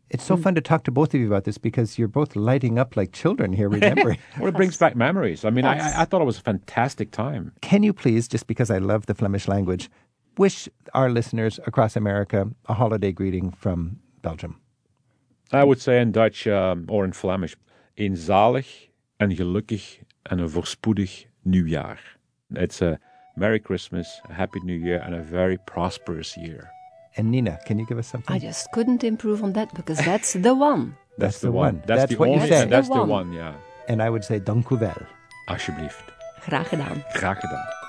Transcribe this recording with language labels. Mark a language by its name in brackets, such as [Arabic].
[English] It's so fun to talk to both of you about this because you're both lighting up like children here remembering. Well, it brings back memories. I mean, I thought it was a fantastic time. Can you please, just because I love the Flemish language, wish our listeners across America a holiday greeting from Belgium? I would say in Dutch or in Flemish, [Dutch] een zalig en gelukkig en een voorspoedig nieuwjaar. [English] It's a Merry Christmas, a Happy New Year, and a very prosperous year. And Nina, can you give us something? I just couldn't improve on that because that's the one. That's the one. That's what you said. That's the one, yeah. And I would say, [Dutch] dank u wel. Alsjeblieft. Graag gedaan. Graag gedaan.